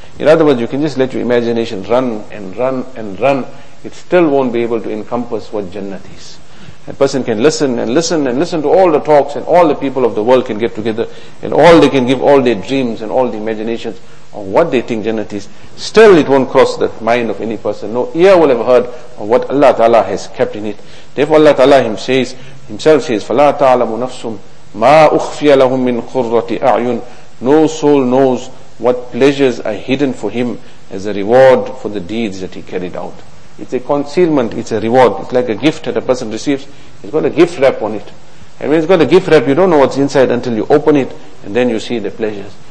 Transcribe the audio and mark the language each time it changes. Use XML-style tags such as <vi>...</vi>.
<en>In other words, you can just let your imagination run and run and run, it still won't be able to encompass what Jannat is. A person can listen and listen and listen to all the talks, and all the people of the world can get together, and all they can give all their dreams and all the imaginations of what they think Jannat is. Still it won't cross the mind of any person. No ear will have heard of what Allah Ta'ala has kept in it. Therefore Allah Ta'ala himself says,</en> <ar>فَلَا تَعْلَمُ نَفْسٌ مَا أُخْفِيَ لَهُمْ مِنْ قُرَّةِ أَعْيُنٍ.</ar> <en>No soul knows what pleasures are hidden for him as a reward for the deeds that he carried out. It's a concealment, it's a reward. It's like a gift that a person receives. It's got a gift wrap on it. And when it's got a gift wrap, you don't know what's inside until you open it, and then you see the pleasures.</en>